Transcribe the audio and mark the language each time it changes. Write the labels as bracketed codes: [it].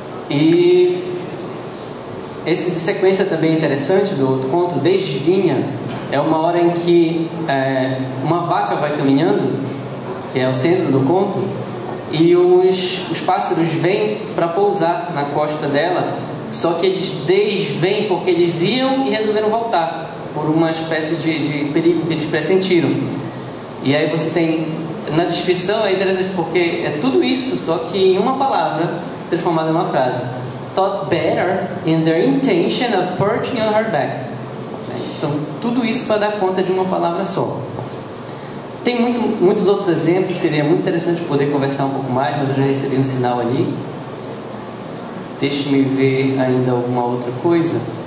[pt] E essa sequência também é interessante do outro conto, Desvinha, é uma hora em que uma vaca vai caminhando, que é o centro do conto, e os pássaros vêm para pousar na costa dela, só que eles desvêm porque eles iam e resolveram voltar, por uma espécie de perigo que eles pressentiram. E aí você tem, na descrição é interessante porque é tudo isso, só que em uma palavra, transformada em uma frase. [en] Thought better in their intention of perching on her back. [pt] Então, tudo isso para dar conta de uma palavra só. Tem muitos outros exemplos, seria muito interessante poder conversar um pouco mais, mas eu já recebi um sinal ali. Deixe-me ver ainda alguma outra coisa.